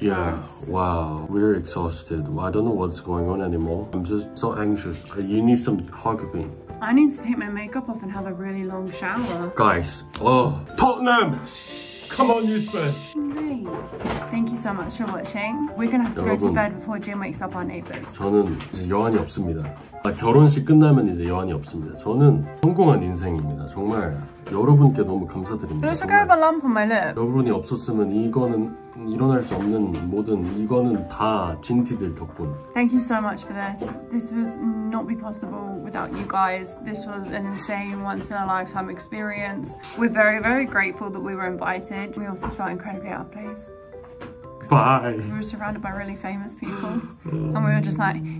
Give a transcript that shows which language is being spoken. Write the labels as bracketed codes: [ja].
[en] Yeah, wow, we're exhausted. I don't know what's going on anymore. I'm just so anxious. You need some hug of me. I need to take my makeup off and have a really long shower. Guys, oh, Tottenham! Come on, you spurs. Thank you so much for watching. We're gonna have to [ko] 여러분, [en] go to bed before Jim wakes up our neighbors. [ko] 저는 이제 여한이 없습니다. 결혼식 끝나면 이제 여한이 없습니다. 저는 성공한 인생입니다. 정말 여러분께 너무 감사드립니다. [en] There's a girl lump on my lip. [ko] 여러분이 없었으면 이거는 일어날 수 없는 모든 이거는 다 진티들 덕분. [en] Thank you so much for this. This would not be possible without you guys. This was an insane once in a lifetime experience. We're very very grateful that we were invited. We also felt incredibly out of place. Bye. We were surrounded by really famous people and we were just like